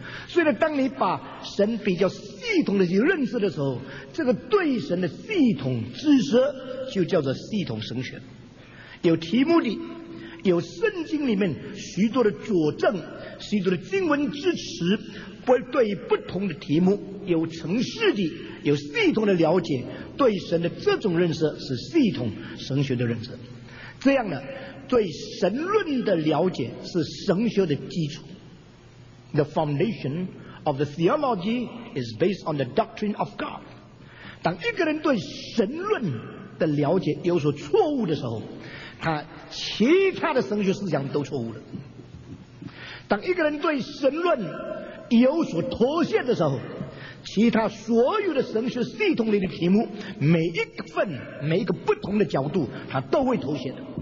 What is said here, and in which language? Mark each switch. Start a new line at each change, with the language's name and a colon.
Chinese: 所以呢当你把神比较系统的去认识的时候，这个对神的系统知识就叫做系统神学，有题目的，有圣经里面许多的佐证，许多的经文支持，会对不同的题目有程式的有系统的了解，对神的这种认识是系统神学的认识。这样呢对神论的了解是神学的基础。
English: The foundation of the theology is based on the doctrine of God。
Chinese: 当一个人对神论的了解有所错误的时候，他其他的神学思想都错误了。当一个人对神论有所脱线的时候，其他所有的神学系统里的题目每一个份每一个不同的角度他都会脱线的。